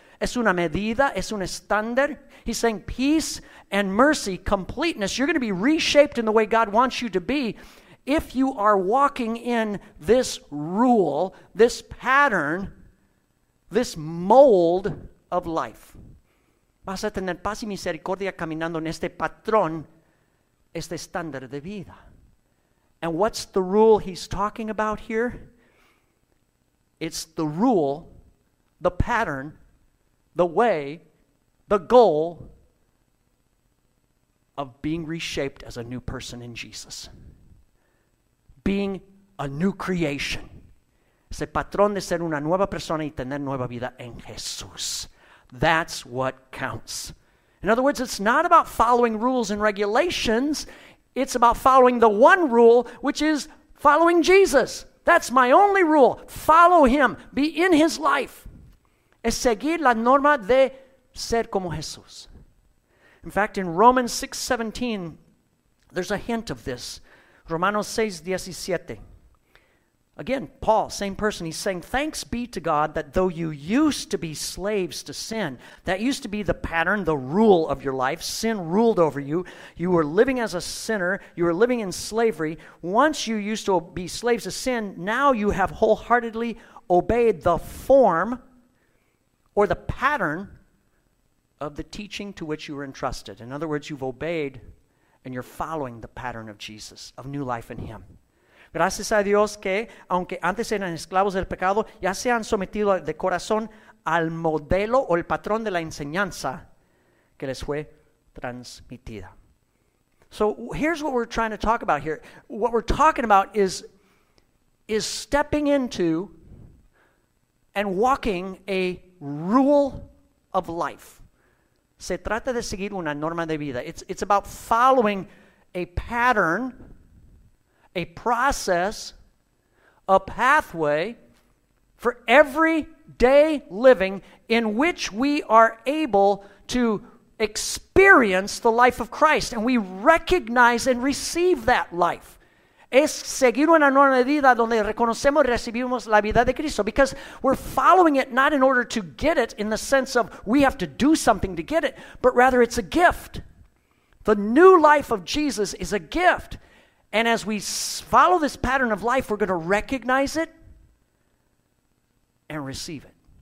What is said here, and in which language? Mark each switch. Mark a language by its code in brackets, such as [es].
[es] Es una medida, es un estándar. [en] He's saying peace and mercy, completeness. You're going to be reshaped in the way God wants you to be if you are walking in this rule, this pattern, this mold of life. [es] Vas a tener paz y misericordia caminando en este patrón, este estándar de vida. [en] And what's the rule he's talking about here? It's the rule, the pattern, the way, the goal of being reshaped as a new person in Jesus. Being a new creation. [es] Ese patrón de ser una nueva persona y tener nueva vida en Jesús. [en] That's what counts. In other words, it's not about following rules and regulations. It's about following the one rule, which is following Jesus. That's my only rule. Follow him. Be in his life. [es] Es seguir la norma de ser como Jesús. [en] In fact, in Romans 6:17, there's a hint of this. Romanos 6:17. Again, Paul, same person, he's saying, thanks be to God that though you used to be slaves to sin, that used to be the pattern, the rule of your life, sin ruled over you, you were living as a sinner, you were living in slavery, once you used to be slaves to sin, now you have wholeheartedly obeyed the form or the pattern of the teaching to which you were entrusted. In other words, you've obeyed and you're following the pattern of Jesus, of new life in him. [es] Gracias a Dios que, aunque antes eran esclavos del pecado, ya se han sometido de corazón al modelo o el patrón de la enseñanza que les fue transmitida. [en] So here's what we're trying to talk about here. What we're talking about is stepping into and walking a rule of life. [es] Se trata de seguir una norma de vida. [en] It's about following a pattern, a process, a pathway for everyday living in which we are able to experience the life of Christ. And we recognize and receive that life. [es] Es seguir una norma de vida donde reconocemos y recibimos la vida de Cristo. [en] Because we're following it not in order to get it in the sense of we have to do something to get it, but rather it's a gift. The new life of Jesus is a gift. And as we follow this pattern of life, we're going to recognize it and receive it.